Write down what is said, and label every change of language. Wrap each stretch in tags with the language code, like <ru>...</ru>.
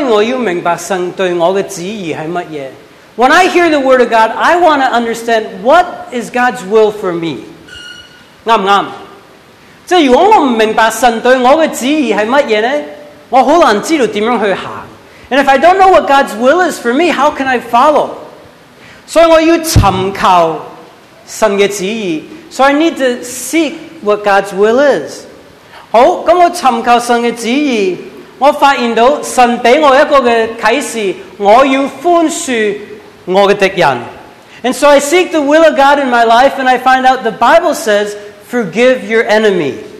<zh>讲另一个例子的。比如想听神的道呢,当然我要明白神对我的旨意是什么。</zh> <en>When I hear the word of God, I want to understand what is God's will for me.</en> <zh>对不对? 即是如果我不明白神对我的旨意是什么呢? 我很难知道怎样去行。</zh> <en>And if I don't know what God's will is for me, how can I follow?</en> <zh>所以我要寻求神的旨意。</zh> <en>So I need to seek what God's will is.</en> <zh>好,那我寻求神的旨意, 我发现到神给我一个启示, 我要宽恕,</zh> <en>and so I seek the will of God in my life and I find out the Bible says forgive your enemy.</en>